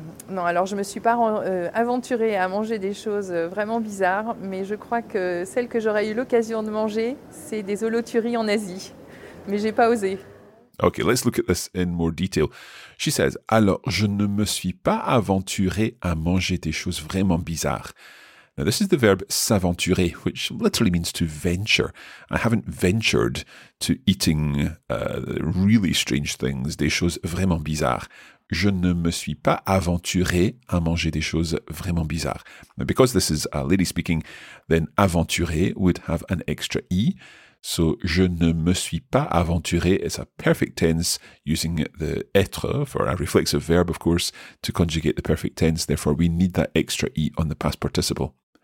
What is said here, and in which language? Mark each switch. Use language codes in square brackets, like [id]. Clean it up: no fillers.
[fr] Non, alors je me suis pas aventurée à manger des choses vraiment bizarres, mais je crois que celle que j'aurais eu l'occasion de manger, c'est des holothuries en Asie. Mais j'ai pas osé. [en] Okay, let's look at this in more detail. She says, [fr] alors je ne me suis pas aventurée à manger des choses vraiment bizarres. [en] Now, this is the verb s'aventurer, which literally means to venture. I haven't ventured to eating really strange things, [fr] des choses vraiment bizarres. Je ne me suis pas aventuré à manger des choses vraiment bizarres. [en] Now, because this is a lady speaking, then aventurer would have an extra E. So, [fr] je ne me suis pas aventuré [en] is a perfect tense using the être for a reflexive verb, of course, to conjugate the perfect tense. Therefore, we need that extra E on the past participle.